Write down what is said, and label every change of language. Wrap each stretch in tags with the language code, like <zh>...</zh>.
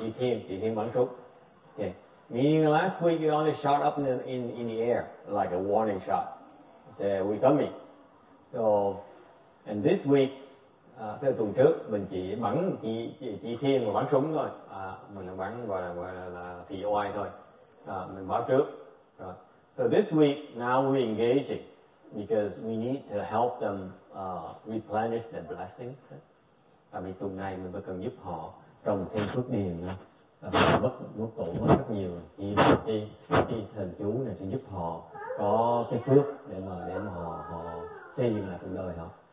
<vi>Chỉ thiên bắn trúc.</vi> <en>Okay. Meaning last week we only shot up in the air like a warning shot. Say we coming. So and this week,</en> <vi>theo tuần trước mình chỉ thiên và bắn súng thôi. Mình bắn gọi là thị oai thôi. Mình báo trước. Rồi.</vi> <en>So this week now we engaging because we need to help them replenish their blessings.</en> <vi>Tại vì tuần này mình phải cần giúp họ trồng thêm phước điền nữa. Tại vì mất tổ mất rất nhiều. Thì thần chú này sẽ giúp họ có cái phước để mà họ xây dựng lại cuộc đời họ.</vi>